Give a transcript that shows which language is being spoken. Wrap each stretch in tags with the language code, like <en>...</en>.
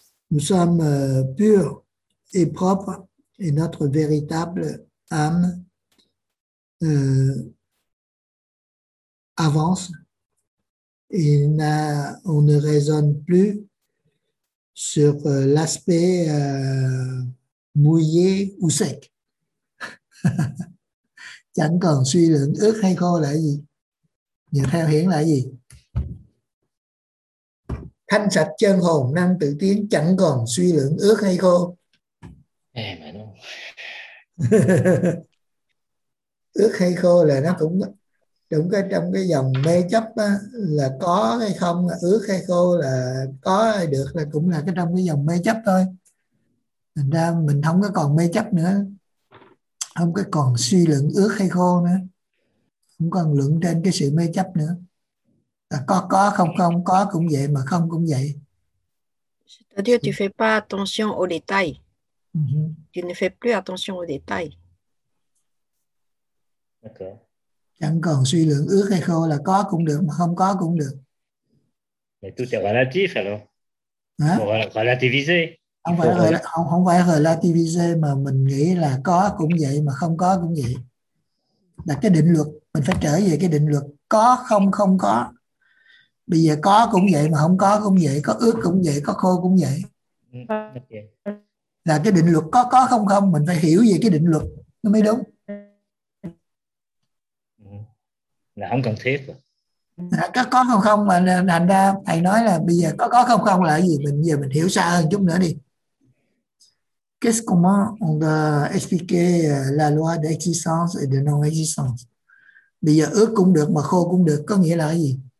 <fr>Nous sommes purs et propres et notre véritable âme avance et on ne raisonne plus sur l'aspect mouillé ou sec.</fr> <vi>Chẳng còn suy luận ướt hay khô là gì. Nhờ theo hiển là gì? Thanh sạch chân hồn năng tự tiến, chẳng còn suy luận ướt hay khô. Ước hay khô là nó cũng đúng cái trong cái dòng mê chấp á, là có hay không, là ước hay khô là có hay được, là cũng là cái trong cái dòng mê chấp thôi. Thành ra mình không có còn mê chấp nữa, không có còn suy luận ước hay khô nữa, không còn luận trên cái sự mê chấp nữa. Là có không không, có cũng vậy mà không cũng vậy.</vi> <fr>C'est-à-dire tu fais pas attention aux détails. Tu ne fais plus attention aux détails.</fr> <vi>Chẳng còn suy luận ước hay khô là có cũng được mà không có cũng được.</vi> <fr>Mais tout est relatif alors. Relativisé.</fr> <vi>Không phải relativisé mà mình nghĩ là có cũng vậy mà không có cũng vậy. Là cái định luật, mình phải trở về cái định luật có không không có. Bây giờ có cũng vậy mà không có cũng vậy, có ước cũng vậy, có khô cũng vậy. Là cái định luật có không không, mình phải hiểu về cái định luật nó mới đúng. Là không cần thiết. Là có không không mà thành ra thầy nói là bây giờ có không không là gì, mình giờ mình hiểu xa hơn chút nữa đi.</vi> <fr>Qu'est-ce comment on va expliquer la loi d'existence et de non-existence?</fr> <vi>Bây giờ ước cũng được mà khô cũng được có nghĩa là gì?</vi>